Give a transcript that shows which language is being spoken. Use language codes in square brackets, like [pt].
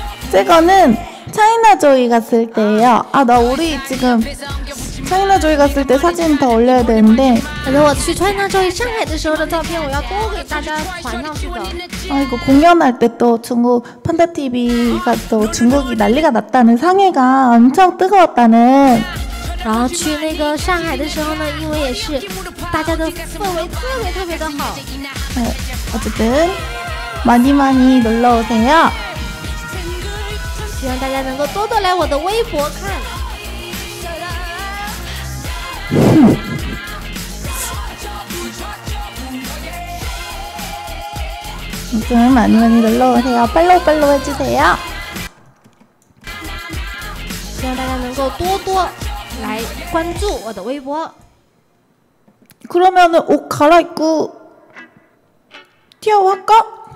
[ko] 이거는 차이나 조이 갔을 때예요. 아, 나 우리 지금 차이나조이 갔을 때 사진 더 올려야 되는데 [zh] 차이나조이 上海的时候的照片我要多给大家传上去的 [ko] 아이고 공연할 때 또 중국 판다TV가 또 중국이 난리가 났다는 상해가 엄청 뜨거웠다는 [zh] 然后去那个上海的时候呢因为也是大家的氛围特别特别的好 [ko] 네, 어쨌든 많이 많이 놀러오세요 [zh] 希望大家能够多多来我的微博看 [ko] 아무튼 많이 많이 놀러오세요 팔로우 해주세요 [zh] 希望大家能够多多来关注我的微博 [ko] 그러면은 옷 갈아입고 [zh] 跳舞 [ko] 할까?